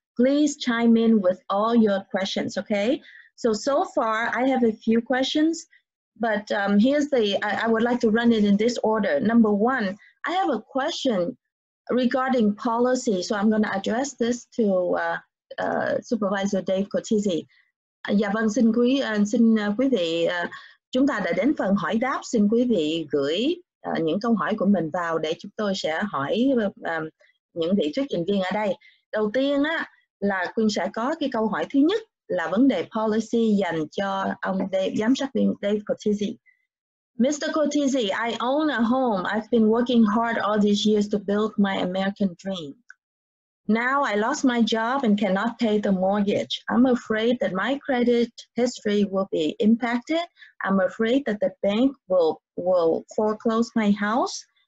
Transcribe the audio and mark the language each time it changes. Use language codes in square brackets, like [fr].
[en] Please chime in with all your questions, okay? So far, I have a few questions. But I would like to run it in this order. Number one, I have a question regarding policy. So I'm going to address this to Supervisor Dave Cortese. [vi] Dạ vâng, xin quý vị, chúng ta đã đến phần hỏi đáp. Xin quý vị gửi những câu hỏi của mình vào để chúng tôi sẽ hỏi những vị thuyết trình viên ở đây. Đầu tiên là Quyên sẽ có cái câu hỏi thứ nhất là vấn đề policy dành cho ông Dave, giám sát viên Dave Cortese. [en] Mr. Cortese, I own a home. I've been working hard all these years to build my American dream. Now I lost my job and cannot pay the mortgage. I'm afraid that my credit history will be impacted. I'm afraid that the bank will foreclose my house.